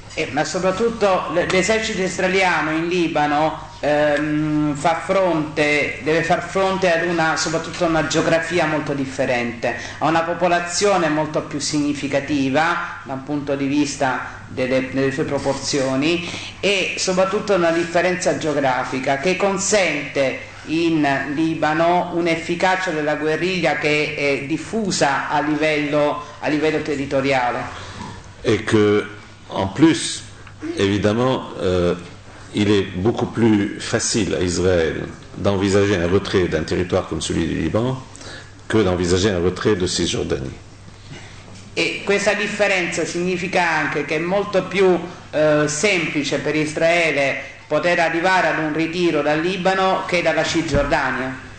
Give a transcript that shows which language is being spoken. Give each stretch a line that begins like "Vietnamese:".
Italian: Ma soprattutto l'esercito israeliano in Libano deve far fronte ad una, soprattutto una geografia molto differente, a una popolazione molto più significativa da un punto di vista delle sue proporzioni e soprattutto una differenza geografica che consente in Libano un'efficacia della guerriglia che è diffusa a livello territoriale. E che
French: en plus, évidemment, il est beaucoup plus facile à Israël d'envisager un retrait d'un territoire comme celui du Liban que d'envisager un retrait de Cisjordanie. Et cette différence signifie
Italian: anche che è molto più semplice per Israele poter arrivare ad un ritiro dal Libano che dalla Cisgiordania.